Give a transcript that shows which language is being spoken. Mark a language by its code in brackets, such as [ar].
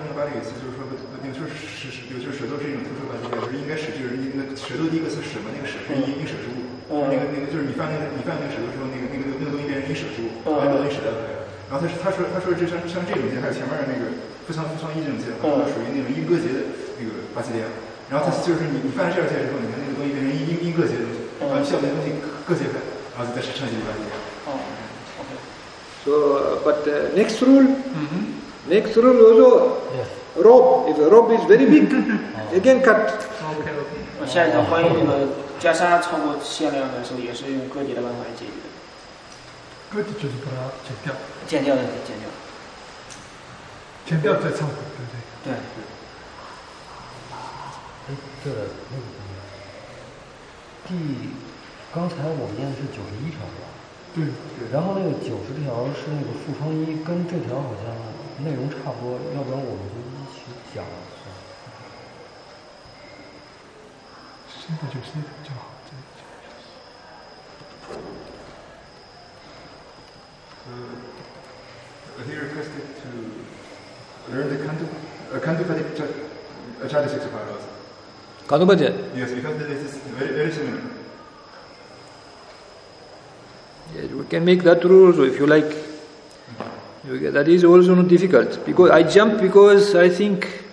[en] Yes. Yes. Yes. Yes. Yes. Yes. Yes. Yes. Rope, if the rope is very big, again cut. Okay, okay. [zh] 我下一条关于那个袈裟超过限量的时候，也是用割截的办法来解决的。割截就是把它剪掉。剪掉的，剪掉。剪掉再唱，对不对？对。哎，对了，那个什么，刚才我念的是91条吧？对。然后那个90条是那个复疮衣，跟这条好像内容差不多，要不然我们就。现在就现在就好，这样就行。 [en] He requested to learn the Kandu Padi Chada 65 also. Kandu Padi? Yes, because this is very, very similar. Yes, we can make that rule also if you like. Okay, that is also not difficult because I jump because I think.